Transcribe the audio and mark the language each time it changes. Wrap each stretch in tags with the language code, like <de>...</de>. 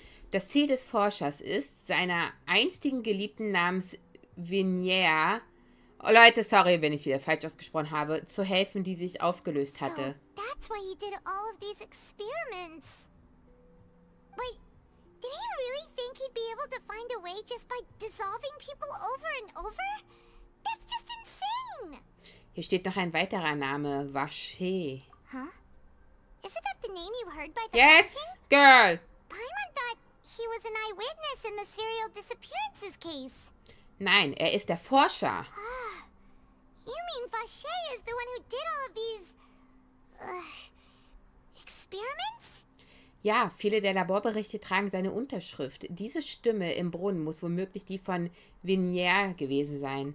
<de>Das Ziel des Forschers ist, seiner einstigen Geliebten namens Vinier, oh, Leute, sorry, wenn ich es wieder falsch ausgesprochen habe, zu helfen, die sich aufgelöst hatte.</de> <en>So, that's why he did all of these experiments. But did he really think he'd be able to find a way just by dissolving people over and over? That's just insane.</en> <de>Hier steht noch ein weiterer Name, Vache. Huh?</de> <en>Isn't that the name you heard by the Yes, fountain? Girl! Paimon thought he was an eyewitness in the serial disappearances case.</en> <de>Nein, ist der Forscher.</de> <en>You mean Vache is the one who did all of these... experiments?</en> <de>Ja, viele der Laborberichte tragen seine Unterschrift. Diese Stimme im Brunnen muss womöglich die von Vinier gewesen sein.</de>